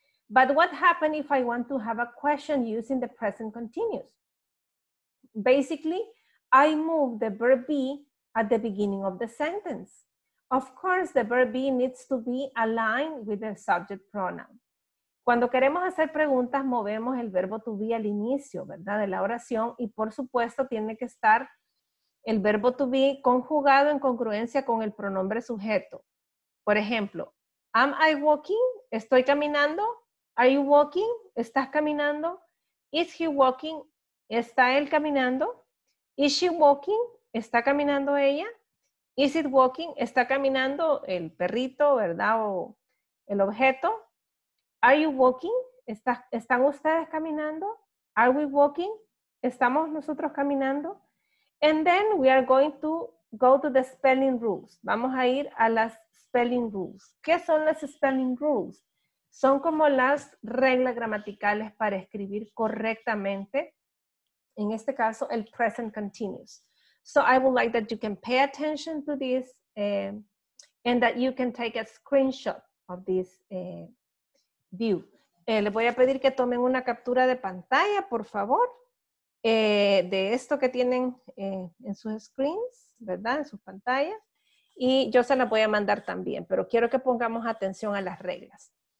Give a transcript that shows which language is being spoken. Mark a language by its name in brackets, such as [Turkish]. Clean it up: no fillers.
[English] But what happens if I want to have a question using the present continuous? Basically, I move the verb be at the beginning of the sentence. Of course, the verb be needs to be aligned with the subject pronoun. [Spanish] Cuando queremos hacer preguntas, movemos el verbo to be al inicio, ¿verdad? De la oración, y por supuesto tiene que estar el verbo to be conjugado en congruencia con el pronombre sujeto. Por ejemplo, [English] am I walking? [Spanish] Estoy caminando. [English] Are you walking? [Spanish] ¿Estás caminando? [English] Is he walking? [Spanish] ¿Está él caminando? [English] Is she walking? [Spanish] ¿Está caminando ella? [English] Is it walking? [Spanish] ¿Está caminando el perrito, verdad, o el objeto? [English] Are you walking? [Spanish] ¿Están ustedes caminando? [English] Are we walking? [Spanish] ¿Estamos nosotros caminando? [English] And then we are going to go to the spelling rules. [Spanish] Vamos a ir a las spelling rules. ¿Qué son las spelling rules? Son como las reglas gramaticales para escribir correctamente, en este caso, el present continuous. [English] So I would like that you can pay attention to this and that you can take a screenshot of this view. [Spanish] Les voy a pedir que tomen una captura de pantalla, por favor, de esto que tienen en sus screens, ¿verdad? En sus pantallas. Y yo se las voy a mandar también, pero quiero que pongamos atención a las reglas.